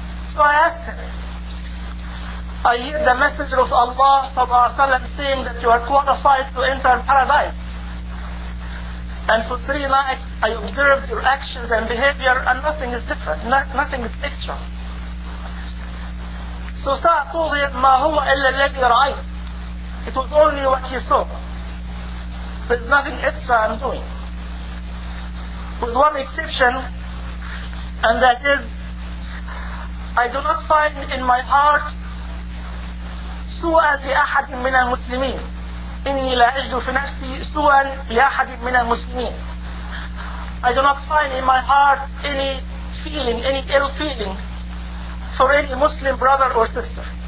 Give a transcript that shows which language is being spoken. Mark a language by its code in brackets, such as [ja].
[en] So I asked him, I hear the Messenger of Allah sallallahu alaihi wasallam saying that you are qualified to enter paradise. And for 3 nights I observed your actions and behavior and nothing is different, nothing is extra. So Sa'd told him, [ar] ما هو إلا الذي رأيت. [en] It was only what he saw. There's nothing extra I'm doing. With one exception, and that is, I do not find in my heart [ar] سُوءًا لِأَحَدٍ مِنَ الْمُسْلِمِينَ [en] إِنِّي لَأَجْدُ فِي نَفْسِي سُوءًا لِأَحَدٍ مِنَ الْمُسْلِمِينَ I do not find in my heart any feeling, any ill feeling for any Muslim brother or sister.